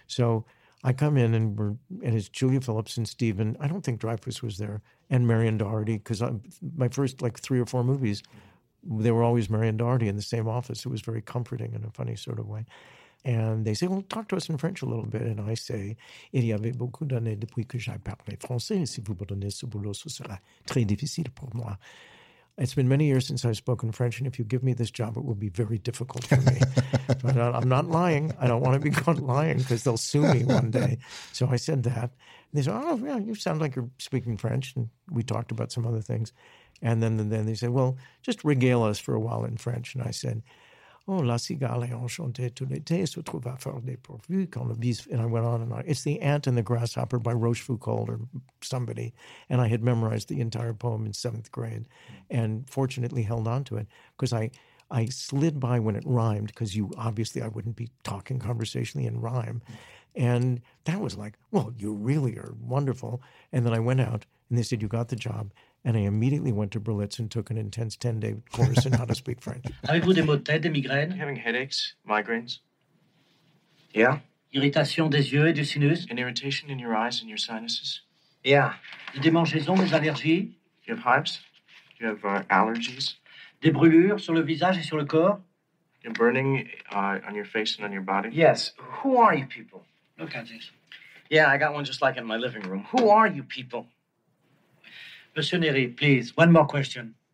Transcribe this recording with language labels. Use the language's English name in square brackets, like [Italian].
[English] So I come in and it's Julia Phillips and Stephen. I don't think Dreyfuss was there. And Marion Doherty, because my first like three or four movies, they were always Marion Doherty in the same office. It was very comforting in a funny sort of way. And they say, well, talk to us in French a little bit. And I say, [French] il y avait beaucoup d'années depuis que j'ai parlé français. Si vous me donnez ce boulot, ce sera très difficile pour moi. [English] It's been many years since I've spoken French, and if you give me this job, it will be very difficult for me. But I'm not lying. I don't want to be caught lying because they'll sue me one day. So I said that. And they said, oh, yeah, you sound like you're speaking French. And we talked about some other things. And then they said, well, just regale us for a while in French. And I said, oh, [French] la cigale enchantée tout l'été se trouve à faire des pourvus quand le bise. [English] And I went on and on. It's The Ant and the Grasshopper by Rochefoucauld or somebody. And I had memorized the entire poem in seventh grade and fortunately held on to it because I slid by when it rhymed because you obviously I wouldn't be talking conversationally in rhyme. And that was like, well, you really are wonderful. And then I went out and they said, you got the job. And I immediately went to Berlitz and took an intense 10-day course in how to speak French. [French] Avez-vous des maux de tête, des migraines? [English] Having headaches, migraines. Yeah. [French] Irritation des yeux et du sinus. [English] An irritation in your eyes and your sinuses. Yeah. [French] Des démangeaisons, des allergies. [English] Do you have hives? Do you have allergies? [French] Des brûlures sur le visage et sur le corps. [English] You're burning on your face and on your body. Yes. Who are you people? Look at this. Yeah, I got one just like in my living room. Who are you people? Monsieur Neri, please, one more question.